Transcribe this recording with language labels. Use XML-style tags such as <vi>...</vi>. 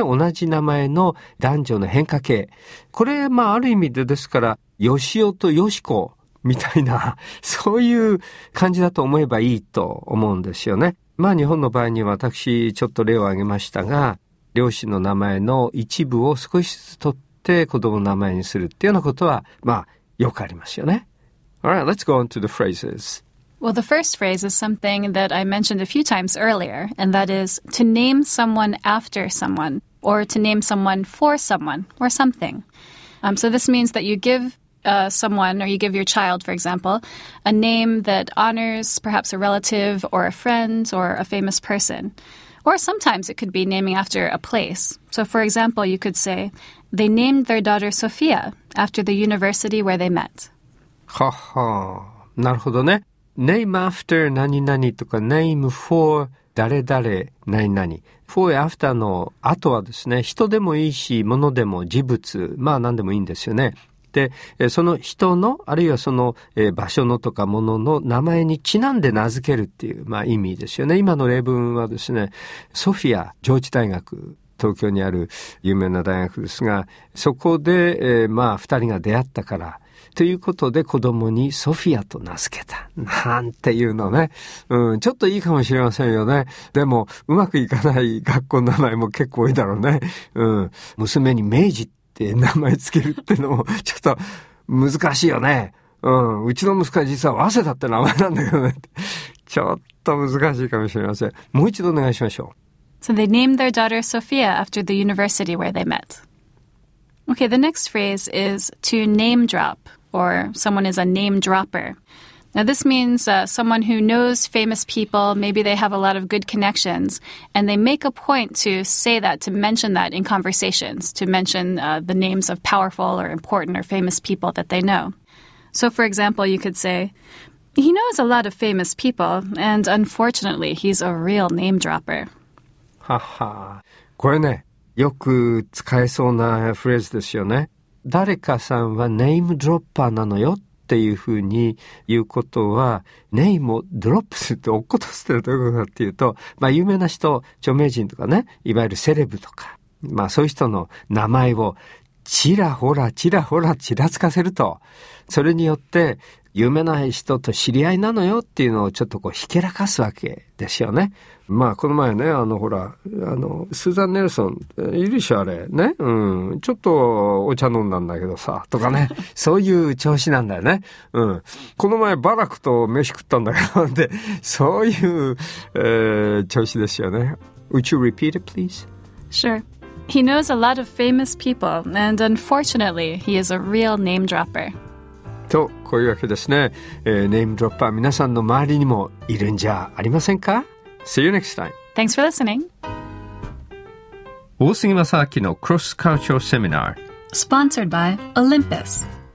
<ja>同じ名前の男女の変化系、これまあある意味でですから、ヨシオとヨシコみたいな、そういう感じだと思えばいいと思うんですよね。まあ日本の場合には私ちょっと例を挙げましたが、両親の名前の一部を少しずつ取って子供の名前にするっていうようなことはまあよくありますよね。</ja> <en>All right, let's go on to the phrases. Well, the first phrase is something that I mentioned a few times earlier, and that is to name someone after someone, or to name someone for someone, or something. So this means that you give someone, or you give your child, for example, a name that honors perhaps a relative, or a friend, or a famous person. Or sometimes it could be naming after a place. So for example, you could say, they named their daughter Sophia after the university where they met.</en> <ja>はは、なるほどね。 name after 何々とか name for 誰々何々、 for after の後はですね、人でもいいし物でも事物、まあ何でもいいんですよね。で、その人のあるいはその場所のとか物の名前にちなんで名付けるっていう、まあ意味ですよね。今の例文はですね、ソフィア、上智大学、東京にある有名な大学ですが、そこで、まあ二人が出会ったからということで子供にソフィアと名付けた。なんていうのね。ちょっといいかもしれませんよね。でも、うまくいかない学校の名前も結構多いだろうね。娘に明治って名前つけるってのも、ちょっと難しいよね。うちの息子は実は早稲田って名前なんだけどね。ちょっと難しいかもしれません。もう一度お願いしましょう。</ja> <en>So they named their daughter Sophia after the university where they met. Okay, the next phrase is to name drop, or someone is a name dropper. Now, this means someone who knows famous people, maybe they have a lot of good connections, and they make a point to say that, to mention that in conversations, to mention the names of powerful or important or famous people that they know. So, for example, you could say, he knows a lot of famous people, and unfortunately, he's a real name dropper.</en> <ja>Haha, これね。よく使えそうなフレーズですよね。誰かさんはネームドロッパーなのよっていうふうに言うことは、ネームをドロップするって落っことしてるってことかっていうと、まあ有名な人、著名人とかね、いわゆるセレブとか、まあそういう人の名前をちらほらちらほらちらつかせると、それによって有名な人と知り合いなのよっていうのをちょっとこうひけらかすわけですよね。まあこの前ね、あのほら、あのスーザン・ネルソンいるでしょあれね、ちょっとお茶飲んだんだけどさとかね、そういう調子なんだよね。この前バラクと飯食ったんだけどで、そういう、調子ですよね。</ja> <en>Would you repeat it please? Sure. He knows a lot of famous people and unfortunately he is a real name dropper.</en> <ja>とこういうわけですね、ネームドロッパー皆さんの周りにもいるんじゃありませんか。</ja> <en>See you next time. Thanks for listening.</en> <ja>大杉正明のクロスカルチャーセミナー</ja> <en>Sponsored by Olympus.</en>